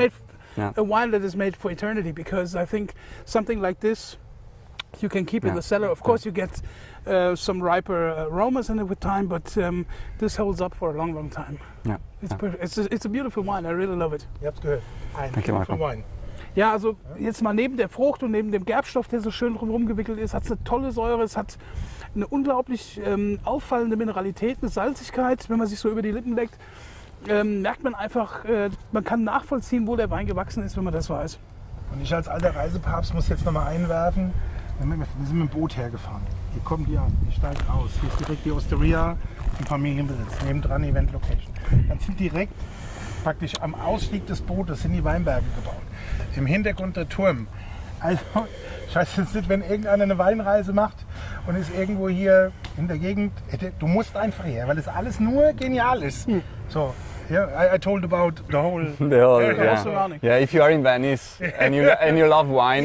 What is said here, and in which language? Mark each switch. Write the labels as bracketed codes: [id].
[en] Is made a wine that is made for eternity. Because I think something like this, you can keep in the cellar. Of course, you get some riper aromas in it with time, but this holds up for a long, long time. Yeah, it's a beautiful wine. I really love it. Thank you, Marco. [de] Ja, also jetzt mal neben der Frucht und neben dem Gerbstoff, der so schön drumherum gewickelt ist, hat es eine tolle Säure. Es hat eine unglaublich auffallende Mineralität, eine Salzigkeit, wenn man sich so über die Lippen leckt. Merkt man einfach, man kann nachvollziehen, wo der Wein gewachsen ist, wenn man das weiß. Und ich als alter Reisepapst muss jetzt nochmal einwerfen, wir sind mit dem Boot hergefahren. Hier kommt die an, die steigt aus. Hier ist direkt die Osteria im Familienbesitz, nebendran Event Location. Dann sind direkt praktisch am Ausstieg des Bootes sind die Weinberge gebaut. Im Hintergrund der Turm. Also, ich weiß jetzt nicht, wenn irgendeiner eine Weinreise macht und ist irgendwo hier in der Gegend, du musst einfach her, weil es alles nur genial ist. [en] So, yeah, I told about the whole surrounding. Yeah. Yeah, if you are in Venice and you and you love wine,